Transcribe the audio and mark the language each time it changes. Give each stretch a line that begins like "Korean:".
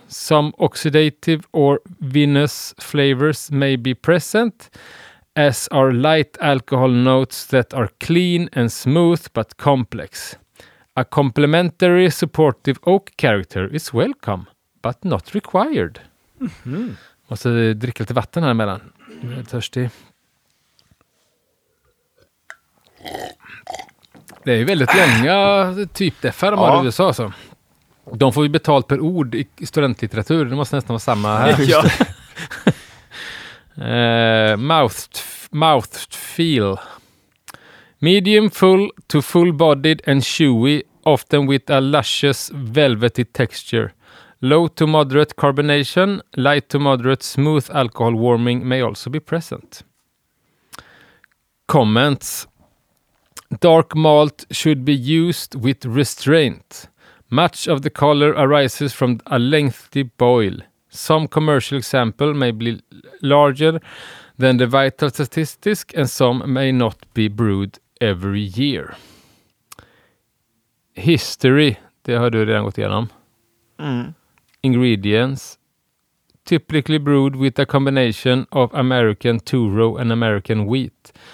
English: Some oxidative or vinous flavors may be present, as are light alcohol notes that are clean and smooth but complex. A complementary supportive oak character is welcome, but not required. Mm-hmm.
Swedish: Måste dricka lite vatten här emellan. Jag är törstig. Det är ju väldigt långa typ deffar de har i USA. Alltså. De får ju betalt per ord i studentlitteratur. Det måste nästan vara samma här. Ja.
English: mouth feel. Medium full to full bodied and chewy, often with a luscious velvety texture. Low to moderate carbonation, light to moderate smooth alcohol warming may also be present. Comments. Dark malt should be used with restraint. Much of the color arises from a lengthy boil. Some commercial example may be larger than the vital statistic and some may not be brewed every year.
Swedish: History, det har du redan gått igenom.
English: Ingredients, typically brewed with a combination of American Turo and American wheat.